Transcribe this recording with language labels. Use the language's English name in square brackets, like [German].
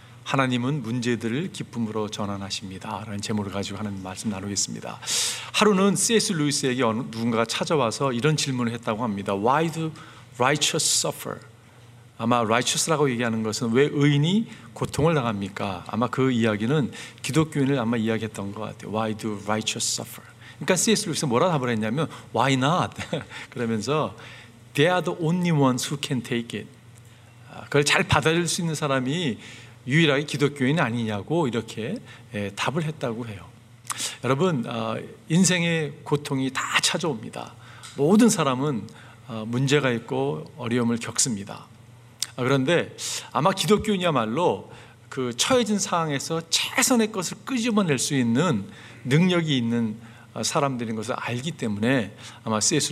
[Korean] 하나님은 문제들을 기쁨으로 전환하십니다 라는 제목을 가지고 하는 말씀 나누겠습니다. 하루는 C.S. 루이스에게 누군가가 찾아와서 이런 질문을 했다고 합니다. [English] Why do righteous suffer? [Korean] 아마 righteous라고 얘기하는 것은 왜 의인이 고통을 당합니까? 아마 그 이야기는 기독교인을 아마 이야기했던 것 같아요. [English] Why do righteous suffer? [Korean] 그러니까 C.S. 루이스는 뭐라고 답을 했냐면 [English] Why not? [Korean] 그러면서 [English] They are the only ones who can take it. [Korean] 그걸 잘 받아들일 수 있는 사람이 유일하게 기독교인 아니냐고 이렇게 답을 했다고 해요. 여러분, 인생의 고통이 다 찾아옵니다. 모든 사람은 문제가 있고 어려움을 겪습니다. 그런데 아마 기독교인이야말로 그 처해진 상황에서 최선의 것을 끄집어낼 수 있는 능력이 있는 사람들인 것을 알기 때문에 아마 C.S.